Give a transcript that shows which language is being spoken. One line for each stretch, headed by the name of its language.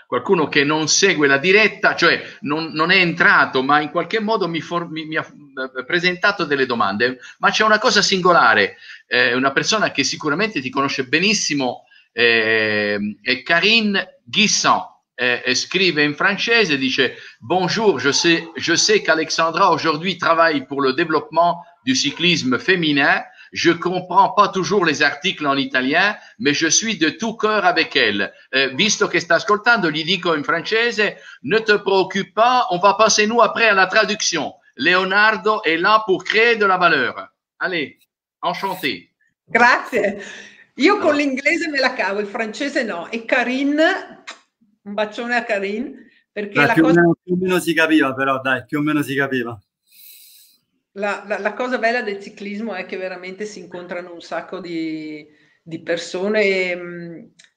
Italian: Qualcuno che non segue la diretta, cioè non è entrato, ma in qualche modo mi ha presentato delle domande. Ma c'è una cosa singolare, una persona che sicuramente ti conosce benissimo, è Karine Guisson. Scrive in francese, dice:
French: Bonjour, je sais qu'Alexandra aujourd'hui travaille pour le développement du cyclisme féminin. Je comprends pas toujours les articles en italien, mais je suis de tout cœur avec elle.
Italian: Visto che sta ascoltando, gli dico in francese:
French: Ne te préoccupe pas, on va passer nous après à la traduction. Leonardo est là pour créer de la valeur. Allez, enchanté.
Italian: Grazie. Io con Allora. l'inglese me la cavo, il francese no. E Karine, un bacione a Karine, perché Beh, la cosa. più o meno si capiva, però dai, più o meno si capiva. La cosa bella del ciclismo è che veramente si incontrano un sacco di persone.